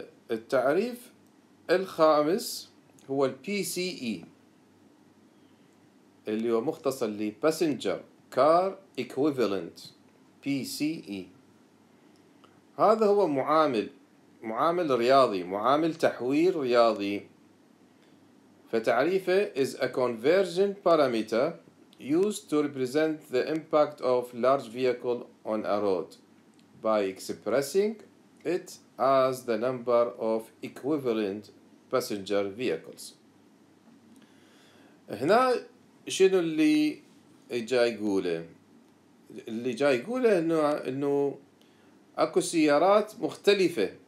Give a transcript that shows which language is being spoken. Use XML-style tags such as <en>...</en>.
<ar>التعريف الخامس هو البي سي اي اللي هو مختصر ل passenger car equivalent PCE. هذا هو معامل رياضي معامل تحويل رياضي.</ar> <en>فتعريفه is a conversion parameter used to represent the impact of large vehicle on a road by expressing it as the number of equivalent passenger vehicles.</en> <ar>هنا شنو اللي جاي يقوله؟ اللي جاي يقوله انه اكو سيارات مختلفة.</ar>